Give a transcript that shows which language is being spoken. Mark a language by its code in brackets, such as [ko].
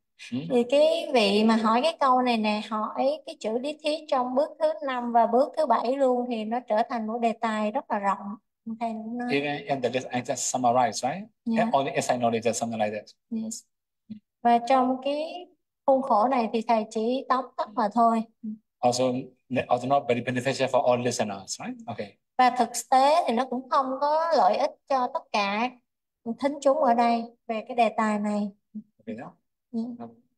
[vi] Thì cái vị mà hỏi cái câu này nè, hỏi cái chữ lý thuyết trong bước thứ năm và bước thứ bảy luôn, thì nó trở thành một đề tài rất là rộng. Thầy cũng nói [en] Even in the list, I just summarize, right? All the SI knowledge or something like that. [vi] Và trong cái Khuôn khổ này thì thầy chỉ tóm tắt mà thôi. [en] Also, not very beneficial for all listeners, right? Okay. [vi] Và thực tế thì nó cũng không có lợi ích cho tất cả thính chúng ở đây về cái đề tài này. [en] Okay, Yeah. no.